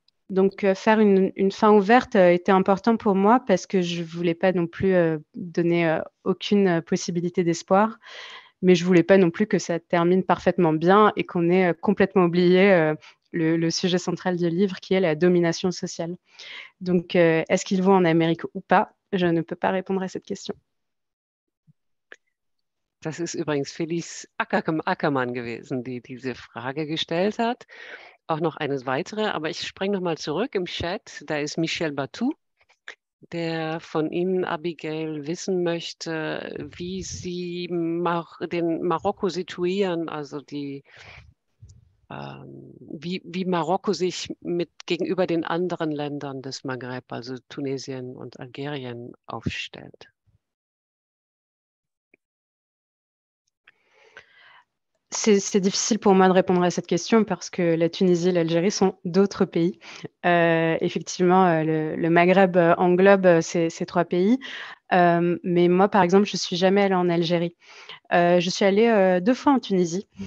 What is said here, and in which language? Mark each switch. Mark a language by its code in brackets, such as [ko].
[fr] Donc, faire une fin ouverte était important pour moi parce que je ne voulais pas non plus donner aucune possibilité d'espoir. Mais je ne voulais pas non plus que ça termine parfaitement bien et qu'on ait complètement oublié le sujet central du livre qui est la domination sociale. Donc, est-ce qu'ils vont en Amérique ou pas? Je ne peux pas répondre à cette question. [de] Das ist übrigens Felice Ackermann gewesen, die diese Frage gestellt hat. auch noch eine weitere, aber ich spreng nochmal zurück im Chat. Da ist Michel Batou, der von Ihnen, Abigail, wissen möchte, wie Sie den Marokko situieren, also wie Marokko sich mit gegenüber den anderen Ländern des Maghreb, also Tunesien und Algerien, aufstellt. [fr] C'est difficile pour moi de répondre à cette question parce que la Tunisie et l'Algérie sont d'autres pays. Effectivement, le Maghreb englobe ces trois pays. Mais moi, par exemple, je ne suis jamais allée en Algérie. Je suis allée deux fois en Tunisie.